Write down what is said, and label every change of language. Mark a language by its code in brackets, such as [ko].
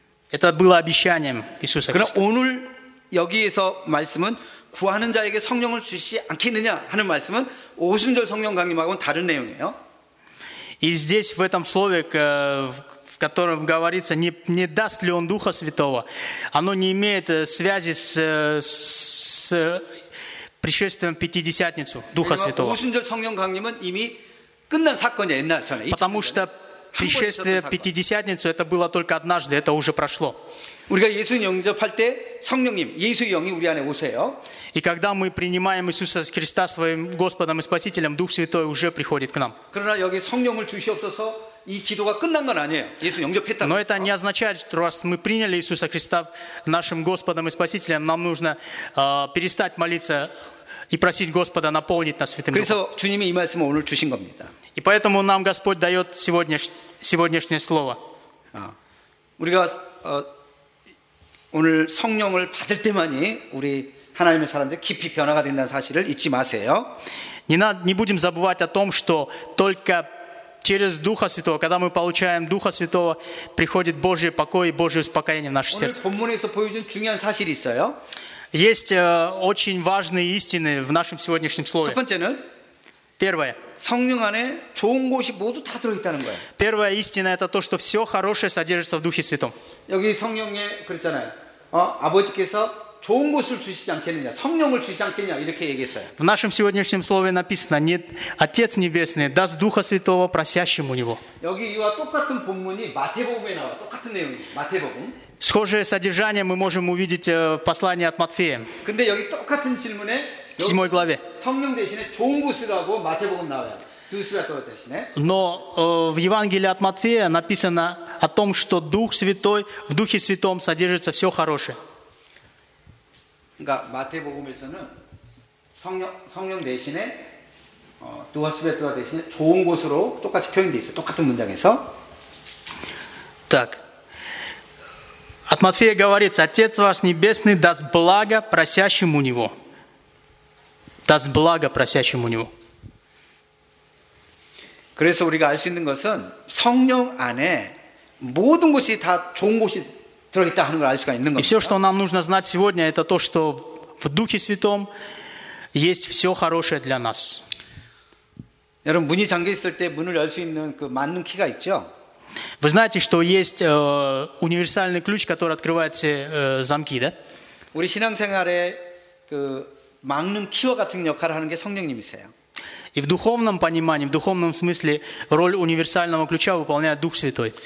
[ru] Это было обещанием Иисуса Христа. [ko] 그럼 오늘 여기에서 말씀은 구하는 자에게 성령을 주시지 않겠느냐 하는 말씀은 오순절 성령 강림하고는 다른 내용이에요. [ru] И здесь, в этом слове, в котором говорится, не даст ли он Духа Святого, оно не имеет связи с пришествием Пятидесятницу Духа Святого. [ko] 오순절 성령 강림은 이미 끝난 사건이야, 옛날 전에. [ru] Потому что пришествие Пятидесятницу, это было только однажды, это уже прошло. [ko] 우리가 예수님 영접할 때 성령님, 예수의 영이 우리 안에 오세요. [ru] И когда мы принимаем Иисуса Христа своим Господом и Спасителем, Дух Святой уже приходит к нам. [ko] 그러나 여기 성령을 주시옵소서 이 기도가 끝난 건 아니에요. 예수 영접했다. [ru] Но это не означает, что раз мы приняли Иисуса Христа нашим Господом и Спасителем, нам нужно перестать молиться и просить Господа наполнить нас Святым Духом. [ko] 그래서 주님이 이 말씀을 오늘 주신 겁니다. [ru] И поэтому нам Господь дает сегодняшнее слово. [ko] 우리가 오늘 성령을 받을 때만이 우리 하나님의 사람들 깊이 변화가 된다는 사실을 잊지 마세요. [ru] Не будем забывать о том, что только через Духа Святого, когда мы получаем Духа Святого, приходит Божий покой и Божие успокоение в наше сердце. [ko] 오늘 본문에서 보여준 중요한 사실이 있어요. [ru] Есть очень важные истины в нашем сегодняшнем слове. [ko] 첫 번째는 [ru] первое. [ko] 성령 안에 좋은 것이 모두 다 들어있다는 거예요. [ru] Первая истина это то, что все хорошее содержится в Духе Святом. [ko] 여기 성령에 그랬잖아요. 아버지께서 좋은 것을 주시지 않겠느냐, 성령을 주시지 않겠냐 이렇게 얘기했어요. [ru] В нашем сегодняшнем слове написано, нет, Отец Небесный даст Духа Святого просящему у Него. [ko] 여기 이와 똑같은 본문이 마태복음에 나와, 똑같은 내용이 마태복음. [ru] Схожее содержание мы можем увидеть в послании от Матфея. [ko] 근데 여기 똑같은 질문에 [ru] в 7 главе. [ko] 성령 대신에 좋은 것이라고 마태복음 나와요. 두스라토 대신에. [ru] Но в Евангелии от Матфея написано о том, что Дух Святой, в Духе Святом содержится все хорошее. [ko] 그러니까 마태복음에서는 성령 대신에 두스라토 대신에 좋은 것으로 똑같이 표현돼 있어요. 똑같은 문장에서. [ru] Так. От Матфея говорится: Отец ваш небесный даст благо просящему у него. Даст благо просящему у него. [ko] 그래서 우리가 알 수 있는 것은 성령 안에 모든 것이 다 좋은 것이 들어 있다 하는 걸 알 수가 있는 겁니다. [ru] И все, что нам нужно знать сегодня, это то, что в Духе Святом есть все хорошее для нас. [ko] 여러분 문이 잠겨 있을 때 문을 열 수 있는 그 만능 키가 있죠? [ru] Вы знаете, что есть универсальный ключ, который открывает все замки, да? [ko] 우리 신앙생활에 그 막는 키와 같은 역할을 하는 게 성령님이세요. [ru] И в духовном понимании, в духовном смысле роль универсального ключа выполняет Дух Святой.